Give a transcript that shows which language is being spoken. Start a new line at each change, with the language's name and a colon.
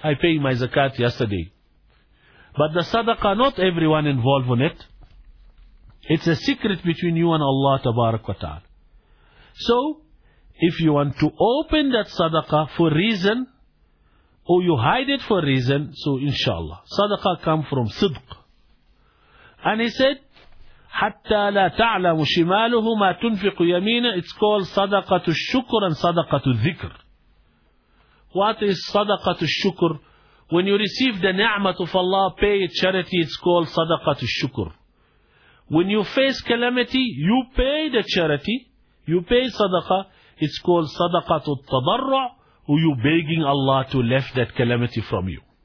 English: I paid my zakat yesterday. But the sadaqah, not everyone involved in it. It's a secret between you and Allah, tabarak wa ta'ala. So, if you want to open that sadaqah for reason, or you hide it for reason, so inshallah, sadaqah comes from sidq. And he said,
Arabic: حَتَّى لَا تَعْلَمُ شِمَالُهُ مَا تُنْفِقُ يَمِينَ.
English: It's called صَدَقَةُ الشُّكُر and صَدَقَةُ الذِّكْر. What is صَدَقَةُ الشُّكُر? When you receive the ni'mat of Allah, pay it charity, it's called صَدَقَةُ الشُّكُر. When you face calamity, you pay the charity, you pay sadaqah, it's called صَدَقَةُ التَّضَرُّع, or you begging Allah to lift that calamity from you.